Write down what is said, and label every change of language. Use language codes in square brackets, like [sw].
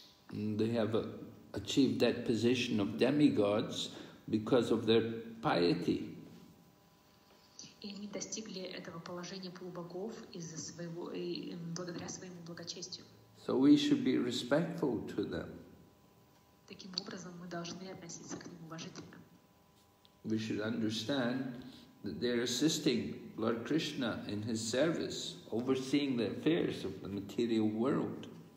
[en] They have achieved that position of demigods because of their piety. [ru] И они достигли этого положения полубогов из-за своего, благодаря своему благочестию. [en] So we should be respectful to them. [ru] Таким образом, мы должны относиться к ним уважительно. [en] We should understand that they're assisting Lord Krishna in his service, overseeing the affairs of the material world.